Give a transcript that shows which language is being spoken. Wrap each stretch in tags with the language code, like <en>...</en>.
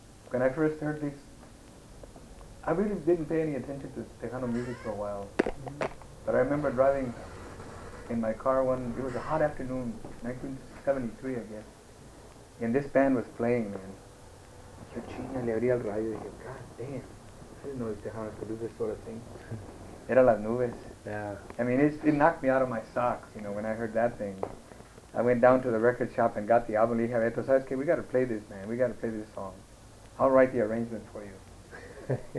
<en>When I first heard this, I really didn't pay any attention to Tejano music for a while. Mm-hmm. But I remember driving in my car one, it was a hot afternoon, 1973, I guess. And this band was playing, man.</en> <es>Yo chinga, le abría el radio y dije,</es> <en>God damn. I didn't know if Tejano could do this sort of thing.</en> <es>Era las nubes.</es> <en>Yeah. I mean, it knocked me out of my socks, you know, when I heard that thing. I went down to the record shop and got the album.</en> <es>Le dije, Beto, ¿sabes qué?</es> <en>We got to play this, man. We got to play this song. I'll write the arrangement for you.</en>